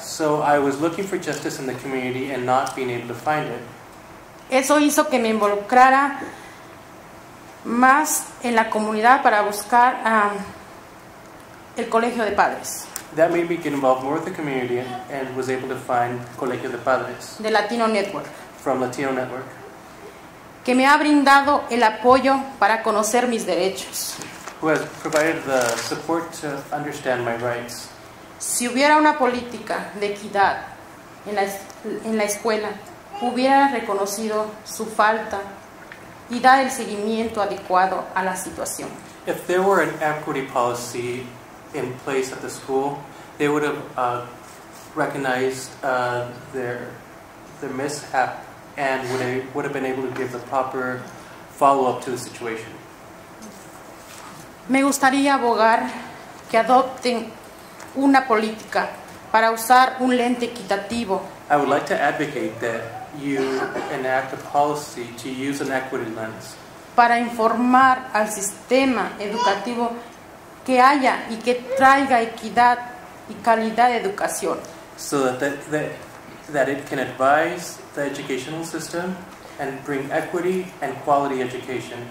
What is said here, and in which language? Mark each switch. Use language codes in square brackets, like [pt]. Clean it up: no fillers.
[en] So I was looking for justice in the community and not being able to find it. [es] Eso hizo que me involucrara más en la comunidad para buscar el colegio de padres. [en] That made me get involved more with the community and was able to find colegio de padres. [es] De Latino Network. [en] From Latino Network. [es] Que me ha brindado el apoyo para conocer mis derechos. [en] Who has provided the support to understand my rights. [es] Si hubiera una política de equidad en la escuela, hubiera reconocido su falta y dado el seguimiento adecuado a la situación. [en] If there were an equity policy in place at the school, they would have recognized their mishap and would have been able to give the proper follow-up to the situation. [es] Me gustaría abogar que adopten una política para usar un lente equitativo. [en] I would like to advocate that you enact a policy to use an equity lens. [es] Para informar al sistema educativo que haya y que traiga equidad y calidad de educación. [en] So that it can advise the educational system and bring equity and quality education.